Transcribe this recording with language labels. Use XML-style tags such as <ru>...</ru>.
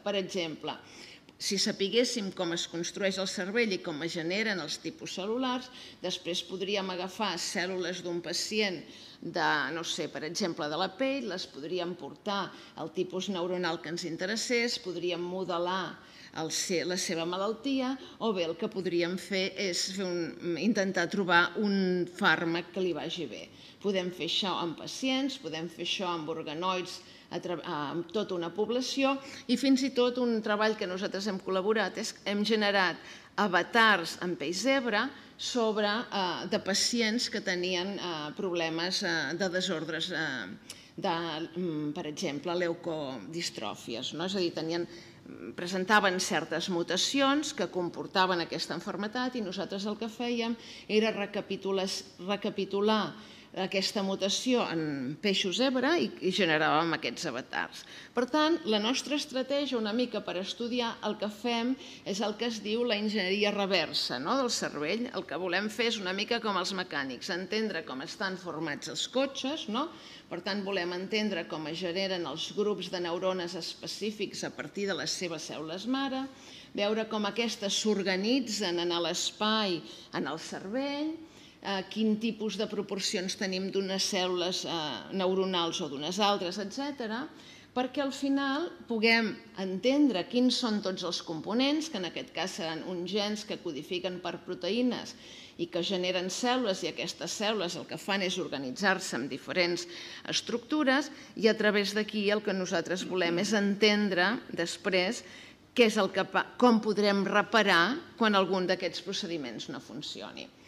<ca>Per exemple, si sapiguéssim com es construeix el cervell i com es generen els tipus cel·lulars, després podríem agafar cèl·lules d'un pacient de, no sé, per exemple, de la pell, les podríem portar al tipus neuronal que ens interessés, podríem modelar la seva malaltia, o bé el que podríem fer és intentar trobar un fàrmac que li vagi bé. Podem fer això amb pacients, podem fer això amb organoids</ca> <es>a toda una población, y</es> <ca>fins i tot</ca> <es>un trabajo que nosotros hemos colaborado</es> <ca>es hem generat avatars en peix zebra</ca> <es>sobre de pacientes que tenían problemas de</es> <ca>desordres</ca> <es>de, por ejemplo, leucodistrofias. No? Es decir, tenían, presentaban ciertas mutaciones que comportaban esta enfermedad y nosotros lo que</es> <ca>fèiem</ca> <es>era recapitular esta mutación en</es> <ca>peixos zebra</ca> <es>y generábamos</es> <ca>aquests</ca> <es>avatars. Por tanto, la nuestra estrategia,</es> <ca>una mica para estudiar el que fem es el que es diu</ca> <es>la ingeniería reversa,</es> <ca>no? Del cervell. El que volem fer es una mica</ca> <es>como los mecánicos,</es> <ca>entendre</ca> <es>cómo están formados los coches, no? Por tanto,</es> <ca>volem entendre</ca> <es>cómo es generan los grupos de neuronas específicos a partir de las</es> <ca>seves</ca> <es>células</es> <ca>mare, veure</ca> <es>cómo estas se organizan en el</es> <ca>espai, en el cervell, quin tipus de</ca> <es>proporciones</es> <ca>tenim d'unes cèl·lules neuronals o d'unes altres, etc., perquè al final puguem entendre quins són tots els components, que en aquest cas seran uns gens que codifiquen per proteïnes i que generen cèl·lules, i aquestes cèl·lules el que fan és organitzar-se en diferents estructures, i a través d'aquí el que nosaltres volem és entendre després què és el que, com podrem reparar quan algun d'aquests procediments no funcioni.</ca>